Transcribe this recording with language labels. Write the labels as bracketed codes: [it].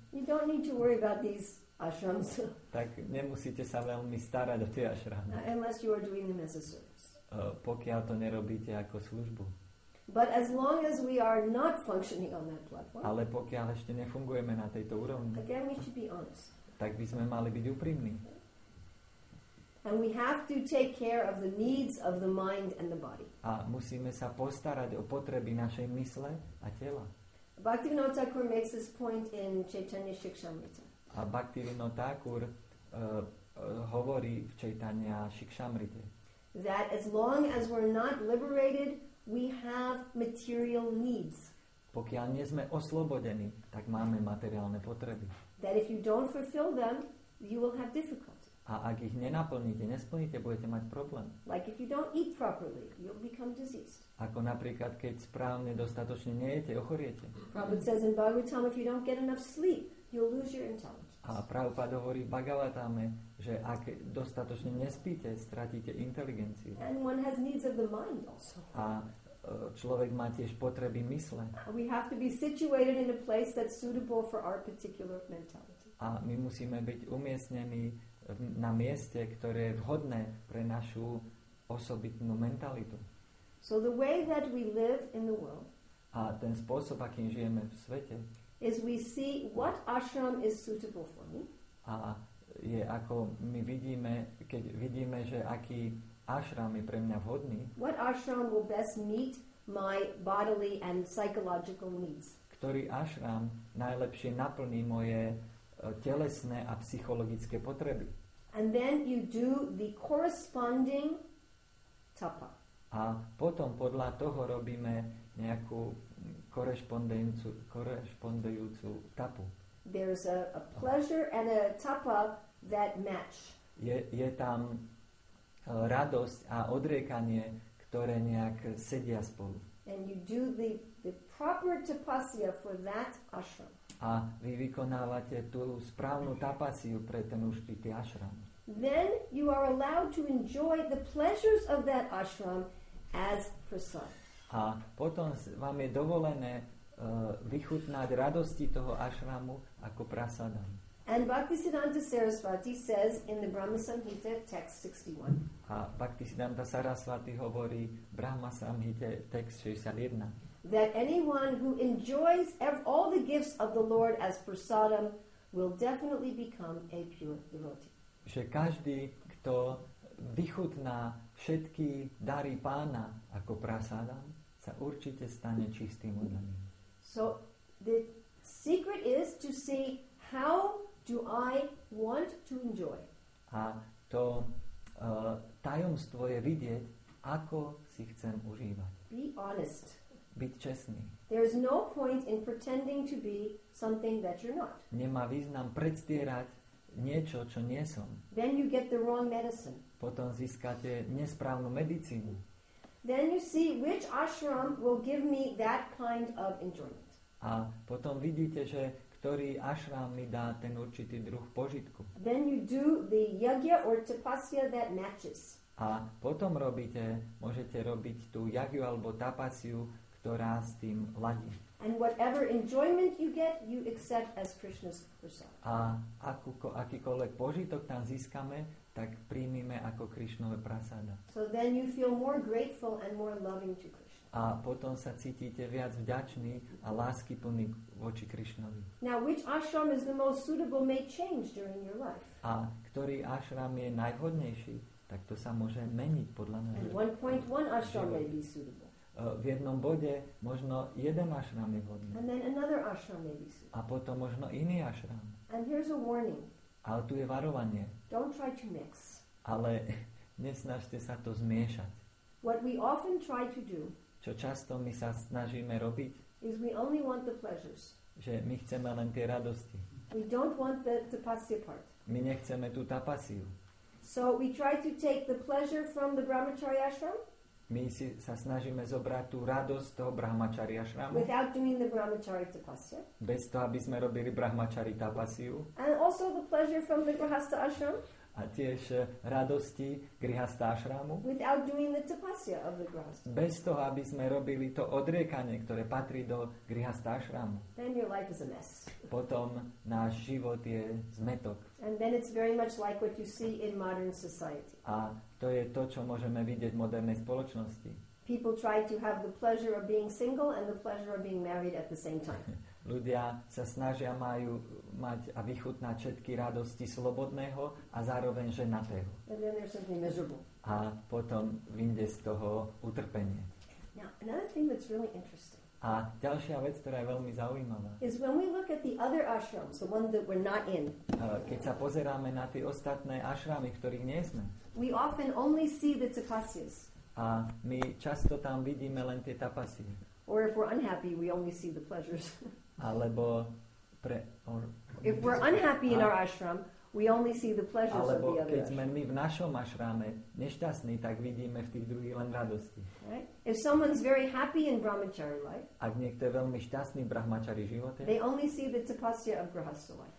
[en] you don't need to worry about these ashrams. [sk] Tak nemusíte sa veľmi starať o tie ashramy. [en] Unless you are doing them as a service. [sk] Pokiaľ to nerobíte ako službu. [en] But as long as we are not functioning on that platform. [sk] Ale pokiaľ ešte nefungujeme na tejto úrovni. [en] Again, we should be honest. [sk] Tak by sme mali byť úprimní. [en] And we have to take care of the needs of the mind and the body. [sk] A musíme sa postarať o potreby našej mysle a tela. [en] Bhaktivinoda Thakur makes this point in Chaitanya Shikshamrita. [sk] A Bhaktivinoda Thakur hovorí v Chaitanya Shikshamrite. [en] That as long as we're not liberated, we have material needs. [sk] Pokiaľ nie sme oslobodení, tak máme materiálne potreby. [en] That if you don't fulfill them, you will have difficulty. [sk] A ak ich nenaplníte, nesplníte, budete mať problém. [en] Like if you don't eat properly, you'll become diseased. [sk] Ako napríklad, keď správne dostatočne nejete, ochoriete. [en] Prabhupada says in Bhagavatam, if you don't get enough sleep, you'll lose your intelligence. [sk] A Prabhupada hovorí v Bhagavatame, že ak dostatočne nespíte, stratíte inteligenciu. [en] And one has needs of the mind also. [sk] A človek má tiež potreby mysle. [en] We have to be situated in a place that's suitable for our particular mentality. [sk] A my musíme byť umiestnení na mieste, ktoré je vhodné pre našu osobitnú mentalitu. [en] So the way that we live in the world. [sk] A ten spôsob, akým žijeme v svete. [en] Is we see what ashram is suitable for me. [sk] A je ako my vidíme, keď vidíme, že aký ashram je pre mňa vhodný. [en] What ashram will best meet my bodily and psychological needs. [sk] Ktorý ashram najlepšie naplní moje telesné a psychologické potreby. [en] And then you do the corresponding tapa. [sk] A potom podľa toho robíme nejakú korešpondujúcu tapu. [en] There's a pleasure and a tapa that match. [sk] Je tam radosť a odriekanie, ktoré nejak sedia spolu. [en] And you do the proper tapasya for that ashram. [sk] A vy vykonávate tú správnu tapasiu pre ten uštitý ashram. [en] Then you are allowed to enjoy the pleasures of that ashram as prasad. [sk] A potom vám je dovolené vychutnať radosti toho ashramu ako prasadam. [en] And Bhaktisiddhanta Sarasvati says in the Brahma Samhita text 61. [sk] A Bhaktisiddhanta Sarasvati hovorí Brahma Samhita text 61. [en] That anyone who enjoys all the gifts of the Lord as prasadam will definitely become a pure devotee. [sk] Že každý, kto vychutná všetky dary pána ako prasadam, sa určite stane čistým oddaným. [en] So the secret is to see how do I want to enjoy. [sk] A to tajomstvo je vidieť, ako si chcem užívať. [en] Be honest. [sk] Byť čestný. [en] There is no point in pretending to be something that you're not. [sk] Nemá význam predstierať niečo, čo nie som. [en] Then you get the wrong medicine. [sk] Potom získate nesprávnu medicínu. [en] Then you see which ashram will give me that kind of enjoyment. [sk] A potom vidíte, že ktorý ashram mi dá ten určitý druh požitku. [en] Then you do the yagya or tapasya that matches. [sk] A potom robíte, môžete robiť tú yagyu alebo tapasiu, ktorá s tým ladí. [en] And whatever enjoyment you get, you accept as Krishna's prasad. [sk] A akýkoľvek požitok tam získame, tak príjmime ako Krishnove prasada. [en] So then you feel more grateful and more loving to Krishna. [sk] A potom sa cítite viac vďačný a láskyplný voči Krishnovi. [en] Now which ashram is the most suitable may change during your life. [sk] A ktorý ashram je najvhodnejší, tak to sa môže meniť podľa nás. [en] And 1.1 ashram may be suitable. [sk] V jednom bode možno jeden ashram je vhodný. [en] And then another ashram may be suitable. [sk] A potom možno iný ashram. [en] And here's a warning. [sk] Ale tu je varovanie. [en] Don't try to mix. [sk] Ale nesnažte sa to zmiešať. [en] What we often try to do, [sk] čo často my sa snažíme robiť, [en] is we only want the pleasures. [sk] Že my chceme len tie radosti. [en] We don't want the tapasya part. [sk] My nechceme tú tapasiu. [en] So we try to take the pleasure from the brahmacharya ashram. [sk] My si sa snažíme zobrať tú radosť toho brahmacharya ashramu. [en] Without doing the brahmacharya tapasya. [sk] Bez toho, aby sme robili brahmacharya tapasiu. [en] And also the pleasure from the grihastha ashram. [sk] A tiež radosti grihastha ashramu. [en] Without doing the tapasya of the grihastha. [sk] Bez toho, aby sme robili to odriekanie, ktoré patrí do grihastha ashramu. [en] Then your life is a mess. [sk] Potom náš život je zmetok. [en] And then it's very much like what you see in modern society. [sk] A to je to, čo môžeme vidieť v modernej spoločnosti. [en] People try to have the pleasure of being single and the pleasure of being married at the same time. [sk] Ľudia sa snažia majú mať a vychutnať všetky radosti slobodného a zároveň ženatého. [en] And then there's something miserable. [sk] A potom vyjde z toho utrpenie. [en] Now, another thing that's really interesting. [sk] A ďalšia vec, ktorá je veľmi zaujímavá. [en] Is when we look at the other ashrams, the ones that we're not in. [sk] Keď sa pozeráme na tie ostatné ashramy, ktorých nie sme. [en] We often only see the tapasyas. [sk] A my často tam vidíme len tie tapasy. [en] Or if we're unhappy, we only see the pleasures. [sk] Alebo pre [en] if we're unhappy in our ashram, we only see the pleasures of the other. [sk] Alebo keď sme my v našom ashrame nešťastní, tak vidíme v tých druhých len radosti. [en] Right? If someone's very happy in brahmachari life, [sk] ak niekto je veľmi šťastný v brahmachari živote, [en] they only see the tapasya of grihastha life.